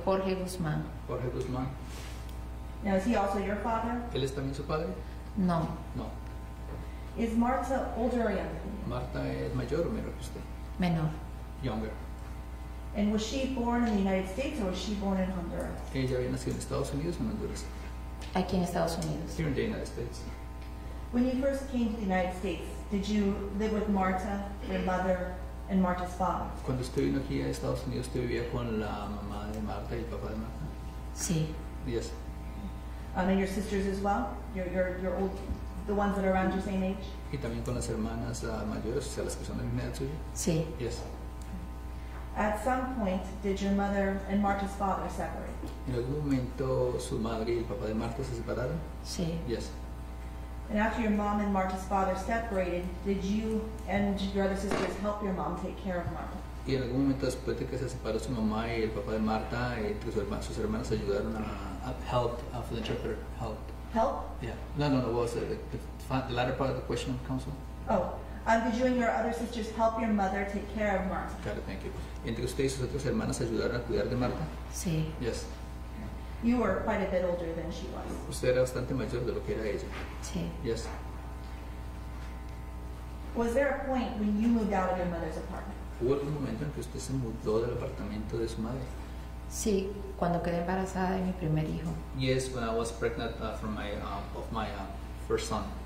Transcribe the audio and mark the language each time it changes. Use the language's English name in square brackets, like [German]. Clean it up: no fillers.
[Spanish] Jorge Guzmán. [English] Jorge Guzmán. Now, is he also your father? [Spanish] ¿Él es también su padre? No. [English] No. Is Marta older or younger? [Spanish] Marta es mayor o menor que usted. Menor. [English] Younger. And was she born in the United States or was she born in Honduras? [Spanish] ¿Ella había nacido en Estados Unidos o en Honduras? Aquí en Estados Unidos. [English] Here in the United States. When you first came to the United States, did you live with Marta, your mother, and Marta's father? [Spanish] Cuando usted vino aquí a Estados Unidos, ¿usted vivía con la mamá de Marta y el papá de Marta? Sí. [English] Yes. And your sisters as well? Your old, the ones that are around your same age? [Spanish] ¿Y también con las hermanas mayores, o sea, las que son de la misma edad suya? Sí. [English] Yes. At some point, did your mother and Marta's father separate? [Spanish] ¿En algún momento su madre y el papá de Marta se separaron? Sí. [English] Yes. And after your mom and Marta's father separated, did you and your other sisters help your mom take care of Marta? [Spanish] ¿Y en algún momento después de que se separó su mamá y el papá de Marta, sus hermanas ayudaron a [English] help for the interpreter? Help? Help? Yeah. No. What was it? The latter part of the question, counsel? Oh. Did you and your other sisters help your mother take care of Marta? Claro, thank you. [Spanish] ¿Entre usted y sus otras hermanas ayudaron a cuidar de Marta? Sí. [English] Yes. You were quite a bit older than she was. [Spanish] Usted era bastante mayor de lo que era ella. Sí. [English] Yes. Was there a point when you moved out of your mother's apartment? [Spanish] ¿Hubo algún momento en que usted se mudó del apartamento de su madre? Sí, cuando quedé embarazada de mi primer hijo. [English] Yes, when I was pregnant with my first son.